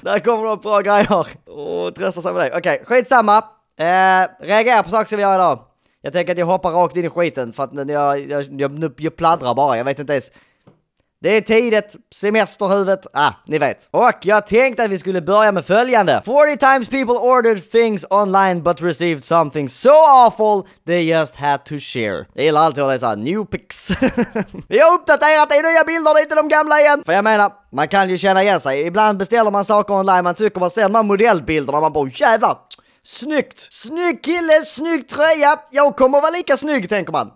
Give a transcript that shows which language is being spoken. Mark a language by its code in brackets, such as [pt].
[sv] Där kommer de bra grejer. Trösta sig med dig. Okej, skitsamma. Reagera på saker som vi gör idag. Jag tänker att jag hoppar rakt in i skiten. För att jag pladdrar bara. Jag vet inte ens. Det är tidigt. Semesterhuvudet. Ni vet. Och jag tänkte att vi skulle börja med följande. [en] 40 times people ordered things online but received something so awful they just had to share. [sv] Det gäller alltid att läsa [en] new pics. [sv] Vi har uppdaterat det i nya bilder, det är inte de gamla igen. För jag menar, man kan ju känna igen sig. Ibland beställer man saker online, man tycker man ser de här modellbilderna. Man bara, jävlar. Snyggt. Snygg kille, snygg tröja. Jag kommer vara lika snygg, tänker man.